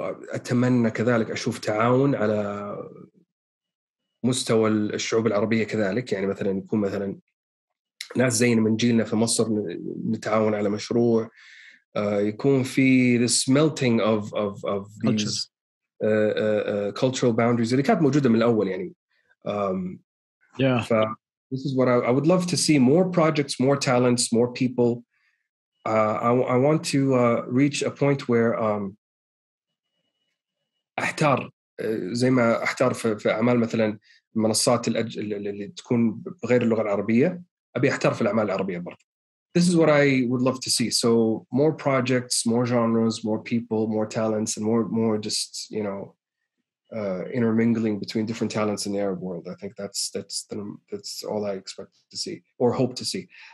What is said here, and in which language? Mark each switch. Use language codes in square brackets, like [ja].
[ar] أتمنى كذلك أشوف تعاون على مستوى الشعوب العربية كذلك, يعني مثلا يكون مثلا ناس زينا من جيلنا في مصر نتعاون على مشروع, يكون في [en] this melting of these cultural boundaries [ar] اللي كانت موجودة من الأول, يعني [en] Yeah. So this is what I would love to see: more projects, more talents, more people. I want to reach a point where [ar] احتار زي ما احتار في اعمال مثلا منصات اللي تكون بغير اللغه العربيه ابي احتار في الاعمال العربيه برضه. [en] This is what I would love to see. So more projects, more genres, more people, more talents, and more just, you know, intermingling between different talents in the Arab world. I think that's all I expect to see or hope to see.